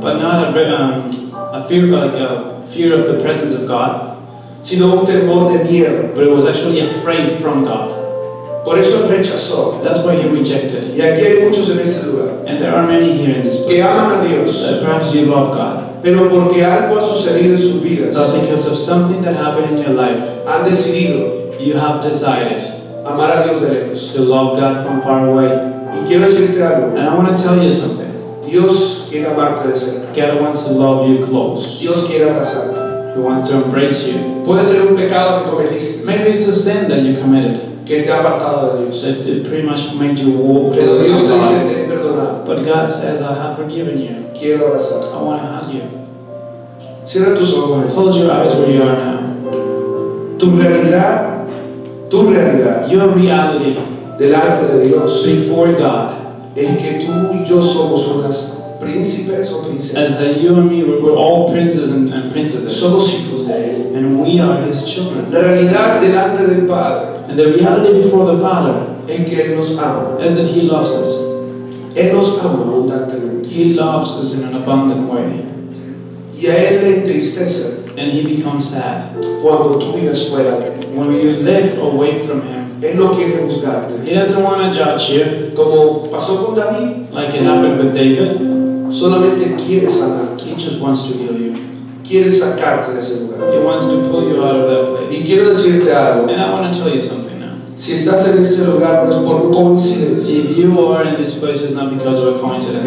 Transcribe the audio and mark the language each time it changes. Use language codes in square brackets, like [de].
[en] But not a fear like a fear of the presence of God. [es] Sino un temor de miedo. [en] But it was actually afraid from God. [es] Por eso rechazó. [en] That's why he rejected. [es] Y aquí hay muchos en este lugar. [en] And there are many here in this place. [es] Que aman a Dios. [en] That perhaps you love God. [es] Pero porque algo ha sucedido en sus vidas. [en] But because of something that happened in your life. [es] Han decidido. [en] You have decided. [es] Amar a Dios de lejos. [en] To love God from far away. [es] Y quiero decirte algo. [en] And I want to tell you something. [es] Dios quiere amarte de cerca. [en] God wants to love you close. [es] Dios quiere abrazarte. [en] He wants to embrace you. [es] Puede ser un pecado que cometiste. [en] Maybe it's a sin that you committed. [es] Que te ha apartado de Dios. [en] That pretty much made you walk. [es] Pero Dios te dice, te he perdonado. [en] But God says, I have forgiven you. [es] Quiero abrazarte. [en] I want to hug you. [es] Cierra tus ojos. [en] Close your eyes where you are now. [es] Tu realidad. [en] Your reality. [es] Delante de Dios. [en] Before God. [es] Es que tú y yo somos unas príncipes o princesas. [en] As that you and me, we're all princes and princesses. [es] Somos hijos de Él. [en] And we are His children. [es] La realidad delante del Padre. [en] And the reality before the Father. [es] En que Él nos ama. [en] Is that He loves us. [es] Él nos ama abundantemente. [en] He loves us in an abundant way. [es] Y a Él le entristece. [en] And He becomes sad. [es] Cuando tú vives fuera de Él. [en] When you live away from Him. [es] Él no quiere juzgarte. [en] He doesn't want to judge you. [es] Como pasó con David. [en] Like it happened with David. [es] Solamente quiere sanar. [en] He just wants to heal you. [es] Quiere sacarte de ese lugar. [en] He wants to pull you out of that place. [es] Y quiero decirte algo. [en] And I want to tell you something now. [es] Si estás en ese lugar, no es por coincidencia. [en] If you are in this place, it's not because of a coincidence.